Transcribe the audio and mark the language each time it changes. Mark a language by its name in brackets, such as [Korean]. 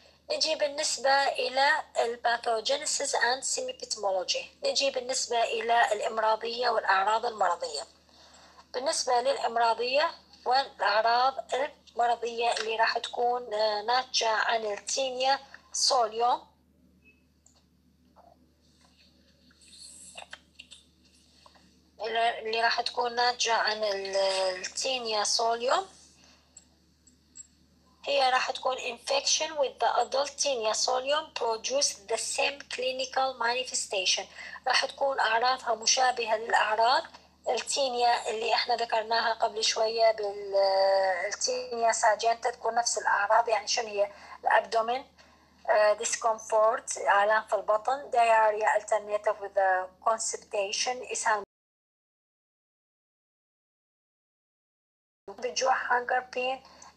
[Arabic] نجي بالنسبة إلى الباثوجينيسيس أند سيميبتمولوجي، نجي بالنسبة إلى الإمراضية والأعراض المرضية. بالنسبة للإمراضية والأعراض المرضية اللي راح تكون ناتجة عن التينيا سوليوم، اللي راح تكون ناتجة عن التينيا سوليوم هي راح تكون [English] infection with the adult tinea solium produce the same clinical manifestation. [Arabic] راح تكون أعراضها مشابهة للأعراض التينيا اللي احنا ذكرناها قبل شوية بالتينيا ساجين، تكون نفس الأعراض. يعني شنو هي؟ الأبدومين discomfort، آلام في البطن، [English] diarrhea alternative with the constipation، [Arabic] إسهال بالجوع، [English] hunger pain.